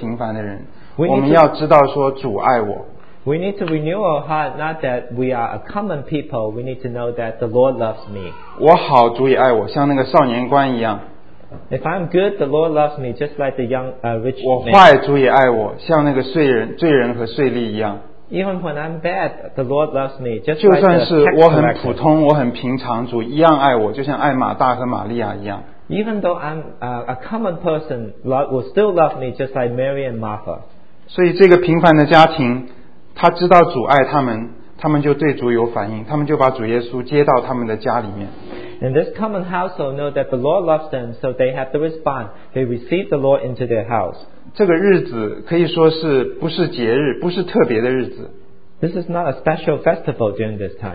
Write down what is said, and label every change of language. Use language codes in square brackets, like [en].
[zh] 我们心思需要更新的，就是我们常常不要看说我是一个平凡的人，我们要知道说主爱我。 [en] We need to renew our heart, not that we are a common people. We need to know that the Lord loves me. [zh] 我好，主也爱我，像那个少年官一样。 [en] If I'm good, the Lord loves me just like the young rich man. [zh] 我坏，主也爱我，像那个罪人和税吏一样。 [en] Even when I'm bad, the Lord loves me just like the tax collector. [zh] 就算是我很普通，我很平常，主一样爱我，就像爱马大和玛利亚一样。 [en] Even though I'm a common person, Lord will still love me just like Mary and Martha. [zh] 所以这个平凡的家庭，他知道主爱他们，他们就对主有反应，他们就把主耶稣接到他们的家里面。 [en] And this common household know that the Lord loves them, so they have to respond. They receive the Lord into their house. [zh] 这个日子可以说是不是节日，不是特别的日子。 [en] This is not a special festival during this time.